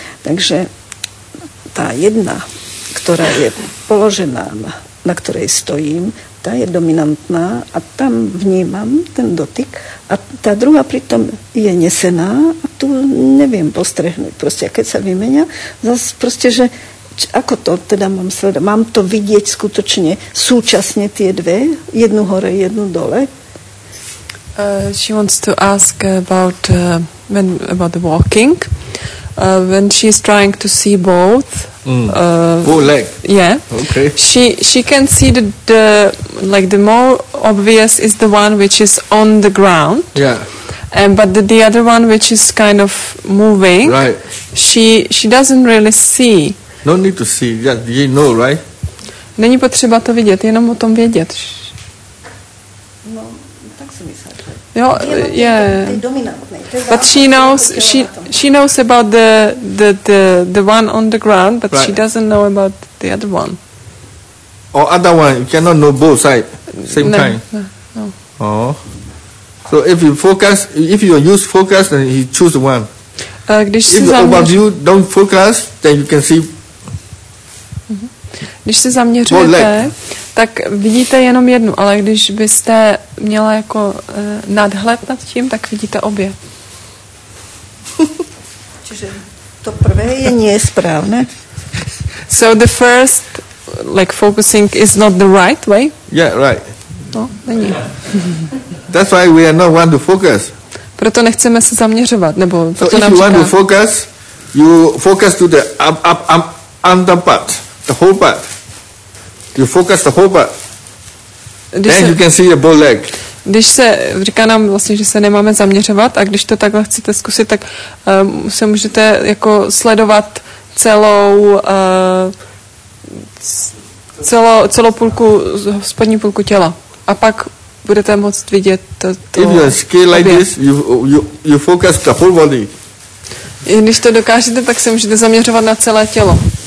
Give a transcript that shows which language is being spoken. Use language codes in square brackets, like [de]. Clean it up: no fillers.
[sk] Takže tá jedna, ktorá je položená, na ktorej stojím, je dominantná a tam vnímam ten dotyk a tá druhá pritom je nesená a tu neviem postrehnúť proste, a keď sa vymenia zase proste, že ako to teda mám sledovať, mám to vidieť skutočne súčasne tie dve, jednu hore, jednu dole. [en] She wants to ask about the walking when she's trying to see both. Both leg. Yeah. Okay. She can see the more obvious is the one which is on the ground. Yeah. And but the other one which is kind of moving. Right. She doesn't really see. No need to see. Yeah, you know, right? [cs] Není potřeba to vidět, jenom o tom vědět. No, tak si myslím. [en] Jo, yeah. But she knows about the one on the ground, but right. She doesn't know about the other one. Or other one, you cannot know both sides same no, time. No. Oh, so if you focus, if you use focus, then you choose one. [cs] Když [en] if about you don't focus, then you can see. [cs] Když se zaměřujete, tak vidíte jenom jednu, ale když byste měla jako nadhled nad tím, tak vidíte obě. [sk] Čiže to prvé je nesprávné. [en] So the first, like focusing, is not the right way? Yeah, right. [cs] No, není. [en] That's why we are not want to focus. [cs] Proto nechceme se zaměřovat, nebo [en] so [cs] to nám říká. [en] So if you want to focus, you focus to the under part, the whole part. You focus the whole part. Then you can see the bow leg. [cs] Když se říká nám vlastně, že se nemáme zaměřovat, a když to takhle chcete zkusit, tak se můžete jako sledovat celou půlku, spodní půlku těla. A pak budete moct vidět to. [en] If you skill like this, you focus the whole body. [cs] Když to dokážete, tak se můžete zaměřovat na celé tělo.